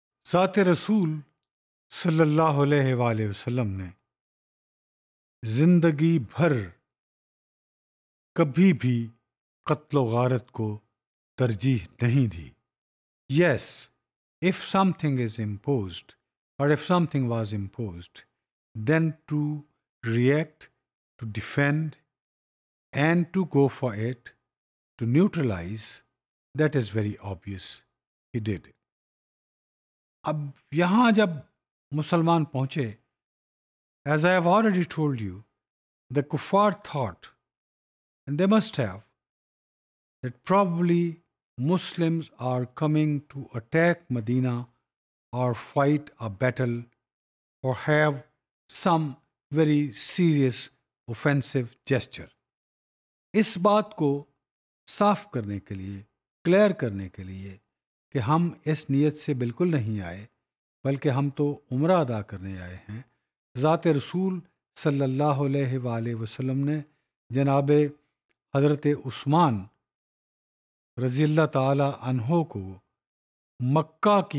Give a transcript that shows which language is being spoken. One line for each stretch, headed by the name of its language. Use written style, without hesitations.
Urdu: ذات رسول صلی اللہ علیہ وآلہ وسلم نے زندگی بھر کبھی بھی قتل و غارت کو ترجیح نہیں دی.
English: Yes, if something is imposed or if something was imposed, then to react, to defend and to go for it, to neutralize, that is very obvious. He did.
Urdu: اب یہاں جب مسلمان پہنچے,
English: as I have already told you, the kuffar thought, and they must have, that probably Muslims are coming to attack Medina or fight a battle or have some very serious offensive gesture.
Urdu: اس بات کو صاف کرنے کے لیے, clear کرنے کے لیے کہ ہم اس نیت سے بالکل نہیں آئے بلکہ ہم تو عمرہ ادا کرنے آئے ہیں, ذات رسول صلی اللہ علیہ وآلہ وسلم نے جناب حضرت عثمان رضی اللہ تعالی عنہ کو